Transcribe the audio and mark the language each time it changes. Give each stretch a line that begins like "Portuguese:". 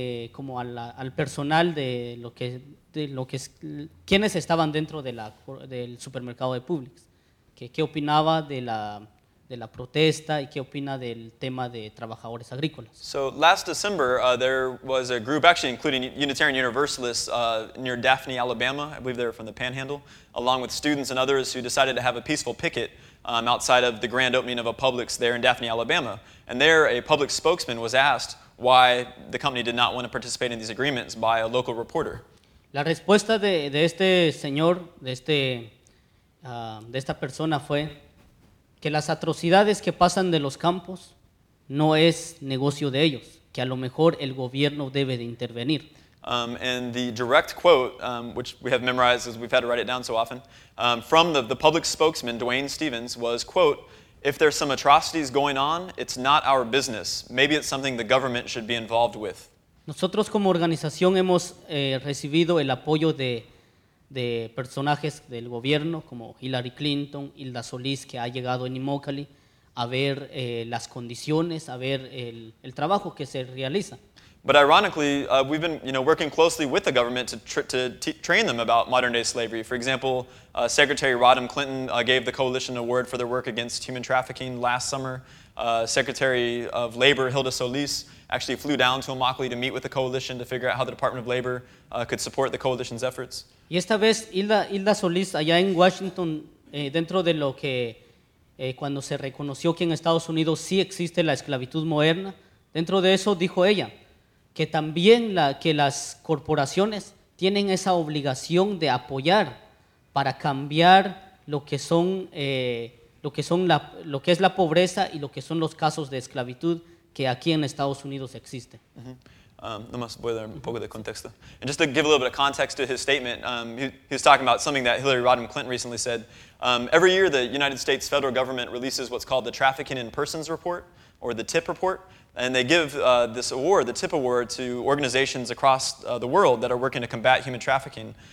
Spanish: como al personal de lo que es, quiénes estaban dentro del supermercado de Publix, que qué opinaba de la protesta y qué opina del tema de trabajadores agrícolas.
English: So last December there was a group, actually including Unitarian Universalists near Daphne, Alabama, I believe they're from the Panhandle, along with students and others who decided to have a peaceful picket outside of the grand opening of a Publix there in Daphne, Alabama. And there a Publix spokesman was asked why the company did not want to participate in these agreements by a local reporter.
Spanish: La respuesta de este señor, de esta persona fue que las atrocidades que pasan de los campos no es negocio de ellos, que a lo mejor el gobierno debe de intervenir.
English: And the direct quote, which we have memorized as we've had to write it down so often, from the public spokesman, Dwayne Stevens, was, quote, if there's some atrocities going on, it's not our business. Maybe it's something the government should be involved with.
Spanish: Nosotros como organización hemos recibido el apoyo de personajes del gobierno como Hillary Clinton, Hilda Solís, que ha llegado en Immokalee a ver las condiciones, a ver el trabajo que se realiza.
English: But ironically, we've been, you know, working closely with the government to train them about modern-day slavery. For example, Secretary Rodham Clinton gave the coalition an award for their work against human trafficking last summer. Secretary of Labor Hilda Solís actually flew down to Immokalee to meet with the coalition to figure out how the Department of Labor could support the coalition's efforts.
Spanish: Y esta vez Hilda Solís allá en Washington, dentro de lo que cuando se reconoció que en Estados Unidos sí existe la esclavitud moderna, dentro de eso dijo ella que también que las corporaciones tienen esa obligación de apoyar para cambiar lo que son lo que son la lo que es la pobreza y lo que son los casos de esclavitud que aquí en Estados Unidos existe. Nomás voy a dar un poco de contexto.
English: And just to give a little bit of context to his statement, he was talking about something that Hillary Rodham Clinton recently said. Every year, the United States federal government releases what's called the Trafficking in Persons Report, or the TIP Report, and they give this award, the TIP Award, to organizations across the world that are working to combat human trafficking.